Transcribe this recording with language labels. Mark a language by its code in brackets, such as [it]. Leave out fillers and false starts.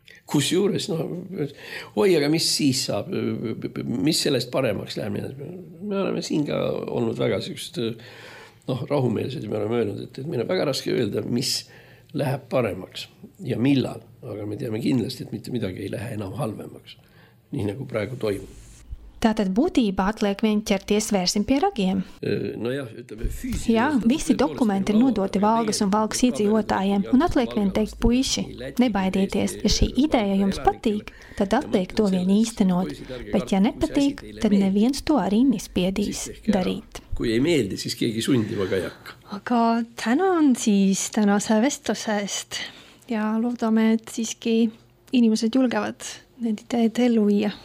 [et] Kus juures, no, oi, aga mis siis saab, mis sellest paremaks läheb? Me oleme siin ka olnud väga sellest, no, rahumeelsed ja me oleme öelnud, et meil on väga raske öelda, mis läheb paremaks ja millal. Aga me teame kindlasti, et mitte midagi ei lähe enam halvemaks, nii nagu praegu toimub. [lv] Tātad būtībā atliek vien ķerties vērsim pie ragiem. No jā, tāpēc, jā, visi dokumenti ir nodoti Valgas un Valgas iedzīvotājiem, un atliek vien teikt puiši, nebaidieties, ja šī ideja jums patīk, tad atliek to vien īstenot, bet ja nepatīk, tad neviens to arī nespiedīs darīt. [et] Kui ei meeldi, siis keegi sundima ka jakka. Aga täna on siis tänase vestusest ja loodame, et siiski inimesed julgevad need ideed ellu viia.